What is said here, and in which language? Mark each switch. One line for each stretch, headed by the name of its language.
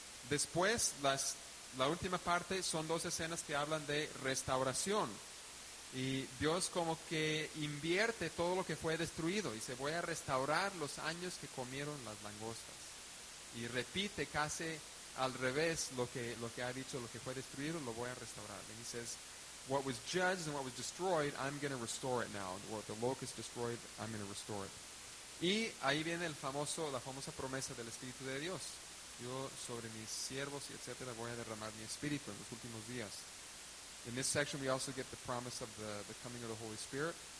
Spanish: Después, la última parte son dos escenas que hablan de restauración. Y Dios como que invierte todo lo que fue destruido. Dice, voy a restaurar los años que comieron las langostas. Y repite casi al revés lo que ha dicho, lo que fue destruido, lo voy a restaurar.
English: And he says, what was judged and what was destroyed, I'm going to restore it now. What the locust destroyed, I'm going to restore it.
Spanish: Y ahí viene la famosa promesa del Espíritu de Dios. Yo sobre mis siervos, etc., voy a derramar mi espíritu en los últimos días.
English: In this section, we also get the promise of the coming of the Holy Spirit.